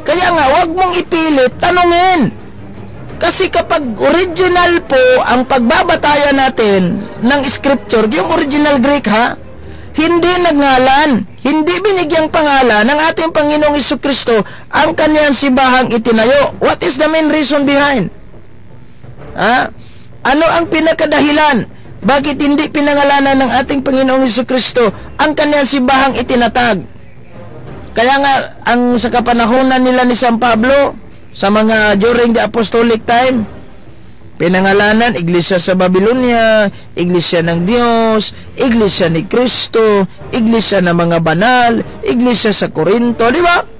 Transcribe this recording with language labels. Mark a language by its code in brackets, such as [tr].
[tl] Kaya nga, huwag mong ipilit, tanungin. Kasi kapag original po ang pagbabataya natin ng scripture, yung original Greek, ha? Hindi nagngalan, hindi binigyang pangalan ng ating Panginoong Jesucristo ang kanyang sibahang itinayo. [en] What is the main reason behind? Ha? [tl] Ano ang pinakadahilan bakit hindi pinangalanan ng ating Panginoong Jesucristo ang kanyang simbahang itinatag? Kaya nga, ang sa kapanahonan nila ni San Pablo, sa mga [en] during the apostolic time, [tl] pinangalanan, Iglesia sa Babylonia, Iglesia ng Diyos, Iglesia ni Kristo, Iglesia ng mga banal, Iglesia sa Corinto, di ba?